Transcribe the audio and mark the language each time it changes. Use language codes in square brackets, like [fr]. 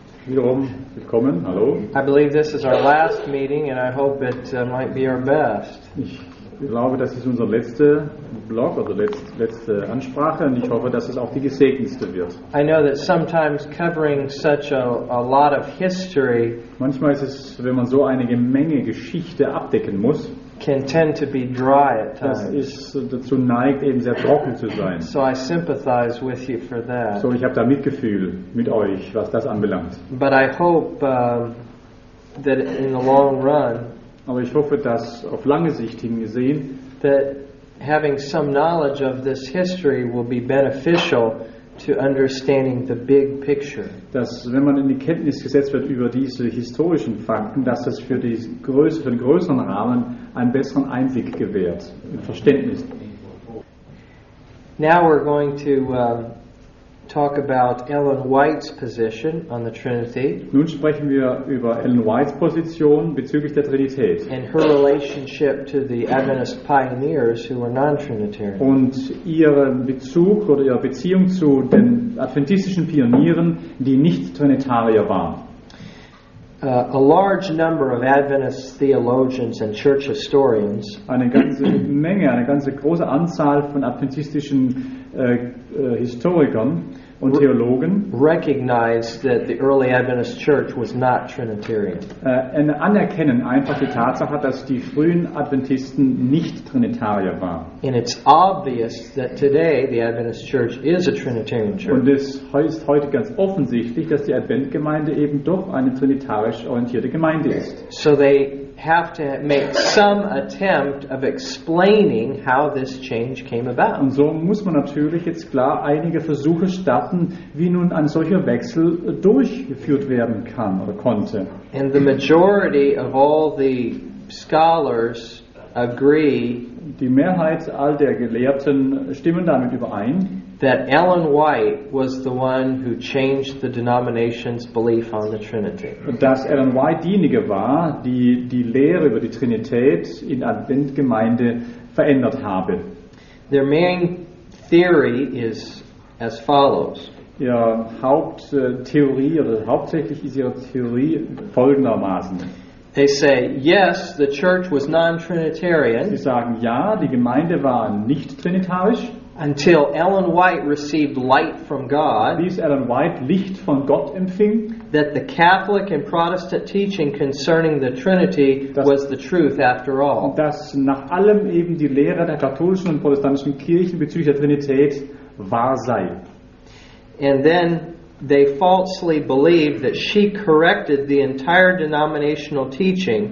[en] I believe this is our last meeting, and I hope it might be our best. [de] Ich glaube, das ist unser letzter Block oder letzte Ansprache, und ich hoffe, dass es auch die gesegnetste wird. [en] I know that sometimes covering such a lot of history, [de] manchmal ist es, wenn man so eine Menge Geschichte abdecken muss, [en] can tend to be dry at times. [de] Das ist dazu neigt, eben sehr trocken zu sein. [en] So I sympathize with you for that. [de] So ich habe da Mitgefühl mit euch, was das anbelangt. [en] But I hope that in the long run, [de] aber ich hoffe, dass auf lange Sicht hin gesehen, [en] that having some knowledge of this history will be beneficial to understanding the big picture. [de] Dass wenn man in die Kenntnis gesetzt wird über diese historischen Fakten, dass das für die Größe, für den größeren Rahmen einen besseren Einblick gewährt, ein Verständnis. [en] Now we're going to talk about Ellen White's position on the Trinity. [de] Nun sprechen wir über Ellen White's Position bezüglich der Trinität. [en] And her relationship to the Adventist pioneers who were non-Trinitarian. [de] Und ihren Bezug oder ihre Beziehung zu den adventistischen Pionieren, die nicht Trinitarier waren. [en] A large number of Adventist theologians and church historians, [de] eine ganze Menge, eine ganze große Anzahl von adventistischen Historikern und Theologen, [en] recognize that the early Adventist church was not Trinitarian. [de] Anerkennen einfach die Tatsache, dass die frühen Adventisten nicht Trinitarier waren. [en] And it's obvious that today the Adventist church is a Trinitarian church. [de] Und es ist heute ganz offensichtlich, dass die Adventgemeinde eben doch eine trinitarisch orientierte Gemeinde ist. [en] So they have to make some attempt of explaining how this change came about. [de] Und so muss man natürlich jetzt klar einige Versuche starten, wie nun ein solcher Wechsel durchgeführt werden kann oder konnte. [en] And the majority of all the scholars agree, [de] die Mehrheit all der Gelehrten stimmen damit überein, [en] that Ellen White was the one who changed the denomination's belief on the Trinity. [de] Dass Ellen White diejenige war, die die Lehre über die Trinität in Adventgemeinde verändert habe. [en] Their main theory is as follows. [de] Ihre Haupttheorie oder hauptsächlich ist ihre Theorie folgendermaßen. [en] They say, yes, the church was non-Trinitarian. [de] Sie sagen, ja, die Gemeinde war nicht trinitarisch. [en] Until Ellen White received light from God, [de] bis Ellen White Licht von Gott empfing, [en] that the Catholic and Protestant teaching concerning the Trinity was the truth after all. [de] Dass nach allem eben die Lehre der katholischen und protestantischen Kirchen bezüglich der Trinität wahr sei. [en] And then they falsely believed that she corrected the entire denominational teaching.